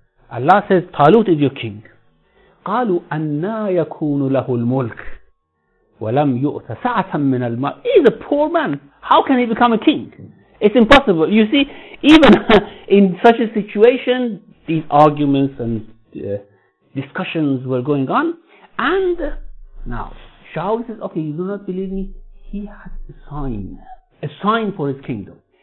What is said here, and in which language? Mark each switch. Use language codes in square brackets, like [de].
[en] Allah says, Talut is your king. [ar] قالوا أنا يكون له الملك ولم يؤت سعة من المال. [en] He's a poor man. How can he become a king? It's impossible. You see, even in such a situation, these arguments and discussions were going on. And now, Shaul says, okay, you do not believe me? He has a sign for his kingdom.